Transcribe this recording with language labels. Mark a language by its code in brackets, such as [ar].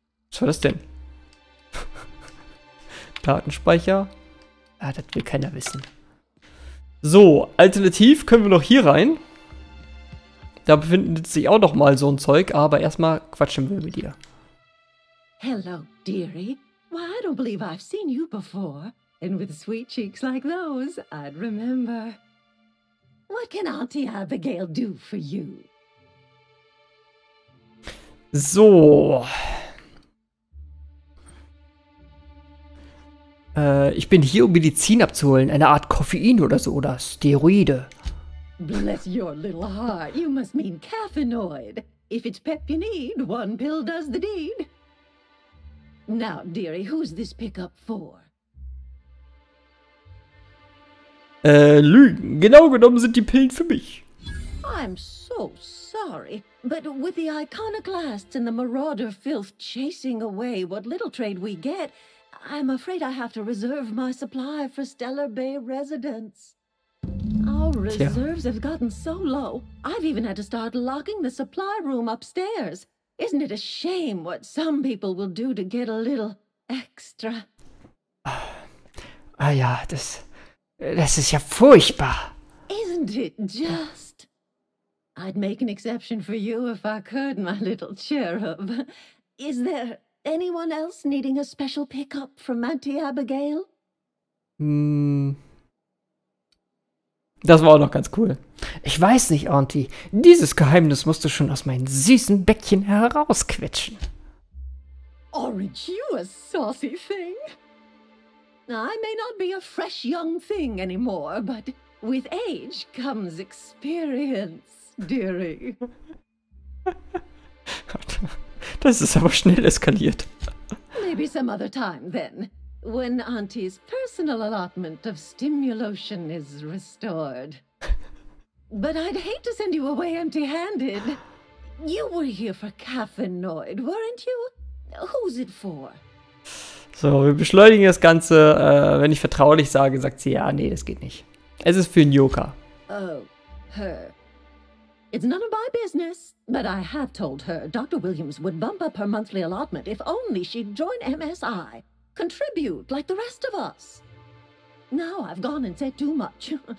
[de] Was war das denn? Datenspeicher? Ah, das will keiner wissen. So, alternativ können wir noch hier rein. Da befindet sich auch noch mal so ein Zeug, aber erstmal quatschen wir mit dir. [en] Hello, dearie. Why, I don't believe I've seen you before. And with sweet cheeks like those, I'd remember. What can Auntie Abigail do for you? So. [de] Ich bin hier, um Medizin abzuholen. Eine Art Koffein oder so, oder Steroide. [en] Bless your little heart. You must mean caffeinoid. If it's pep you need, one pill does the deed. Now, dearie, who's this pickup for? [de] Lügen. Genau genommen sind die Pillen für mich. [en] I'm so sorry, but with the iconoclasts and the marauder filth chasing away what little trade we get, I'm afraid I have to reserve my supply for Stellar Bay residents. Our reserves have gotten so low, I've even had to start locking the supply room upstairs. Isn't it a shame what some people will do to get a little extra? [de] Ah ja, das ist ja furchtbar. [en] Isn't it just? I'd make an exception for you if I could, my little cherub. Is there anyone else needing a special pickup from Auntie Abigail? [de] Das war auch noch ganz cool. Ich weiß nicht, Auntie. Dieses Geheimnis musst du schon aus meinen süßen Bäckchen herausquetschen. [en] Aren't you a saucy thing? I may not be a fresh young thing anymore, but with age comes experience, dearie. [de] Das ist aber schnell eskaliert. [en] Maybe some other time then. When Auntie's personal allotment of stimulation is restored. But I'd hate to send you away empty-handed. You were here for caffeinoid, weren't you? Who's it for? [de] So, wir beschleunigen das Ganze. Wenn ich vertraulich sage, sagt sie, ja, nee, das geht nicht. Es ist für Nyoka. [en] Oh, her. It's none of my business, but I have told her Dr. Williams would bump up her monthly allotment if only she'd join MSI. Contribute like the rest of us. Now I've gone and said too much.